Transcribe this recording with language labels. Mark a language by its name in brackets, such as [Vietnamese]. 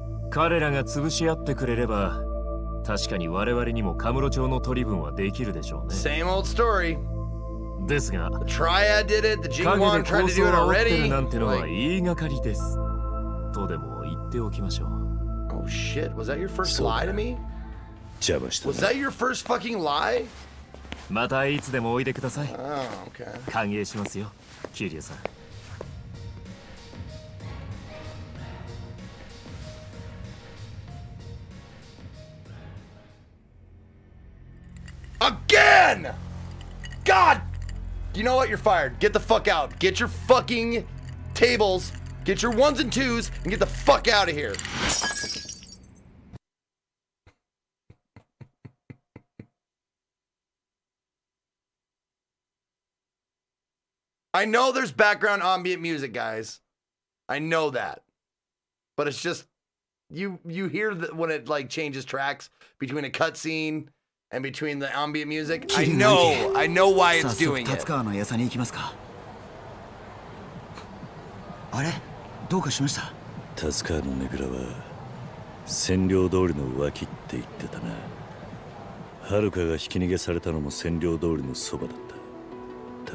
[Japanese] 彼らが潰し合ってくれれば確かに我々にもカムロ町の取り分はできるでしょうね。 [English] Same old story. [Japanese] ですが、陰で構想を煽ってるなんてのは言いがかりです。とでも言っておきましょう。 [English] Oh shit, was that your first lie to me? [Japanese] 邪魔したな。 [English] Was that your first fucking lie? [Japanese] またいつでもおいでください。 [English] Oh, okay. [Japanese] 歓迎しますよ、キリュウさん。 [English] Again! God! You know what? You're fired. Get the fuck out. Get your fucking tables. Get your ones and twos and get the fuck out of here. I know there's background ambient music, guys. I know that. But it's just, you hear that when it like changes tracks between a cutscene. And between the ambient music, I know why it's doing it. [Japanese] 早速達川の屋に行きますか。あれ、どうかしました。達川のねぐらは占領通りの脇って言ってたな。遥かが引き逃げされたのも占領通りのそばだった。